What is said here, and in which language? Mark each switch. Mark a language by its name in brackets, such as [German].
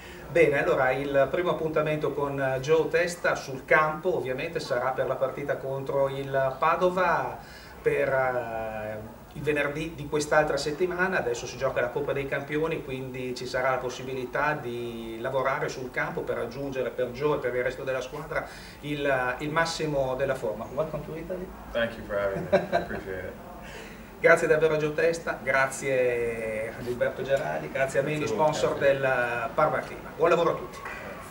[Italian] Bene, allora il primo appuntamento con Joe Testa sul campo, ovviamente, sarà per la partita contro il Padova per il venerdì di quest'altra settimana. Adesso si gioca la Coppa dei Campioni, quindi ci sarà la possibilità di lavorare sul campo per raggiungere per Joe e per il resto della squadra il massimo della forma. [English] Welcome to Italy. Thank you for having me. I appreciate it. [Italian] Grazie davvero a Joe Testa, grazie a Gilberto Gerardi, grazie a Meli, sponsor del Parma Clima. Buon lavoro a tutti.